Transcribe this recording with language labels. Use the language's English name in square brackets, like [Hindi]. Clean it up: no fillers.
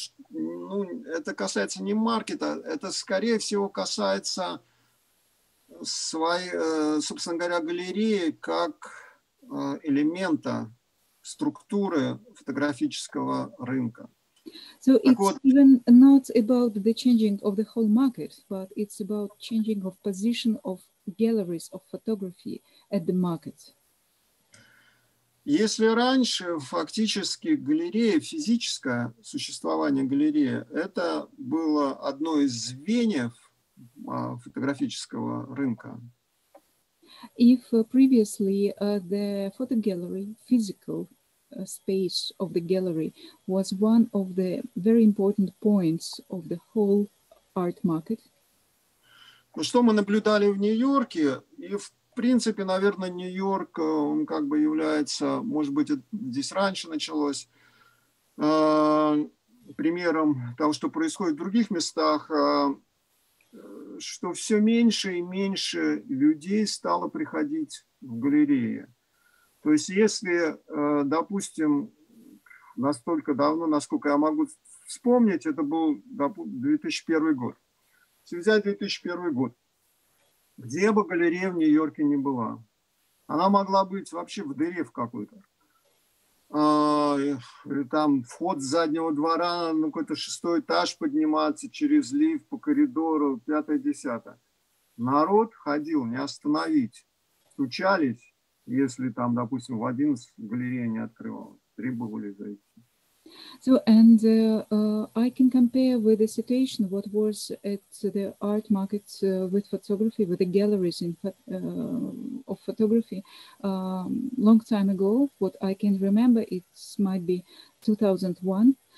[Russian] Ну, это касается не маркета, это скорее всего касается своей, собственно говоря, галереи как элемента структуры фотографического рынка. [English] So it's вот, even not about the changing of the whole market, but it's about changing of position of galleries of photography at the market. [Russian] Если раньше фактически галерея, физическое существование галереи, это было одно из звеньев фотографического рынка. [English] If previously the photo gallery, physical space of the gallery was one of the very important points of the whole art market. [Russian] Ну, что мы наблюдали в Нью-Йорке, и в принципе, наверное, Нью-Йорк, он как бы является, может быть, здесь раньше началось, примером того, что происходит в других местах, что все меньше и меньше людей стало приходить в галереи. То есть если, допустим, настолько давно, насколько я могу вспомнить, это был 2001 год. Если взять 2001 год, где бы галерея в Нью-Йорке ни была, она могла быть вообще в дыре в какой-то. Там вход с заднего двора на какой-то шестой этаж подниматься через лифт по коридору, пятое-десятое. Народ ходил, не остановить, стучались. Если там, допустим, в 11 галерея не открывала, требовали зайти. [English] So, and I can compare with the situation what was at the art market with photography, with the galleries in of photography long time ago. What I can remember, it might be 2001.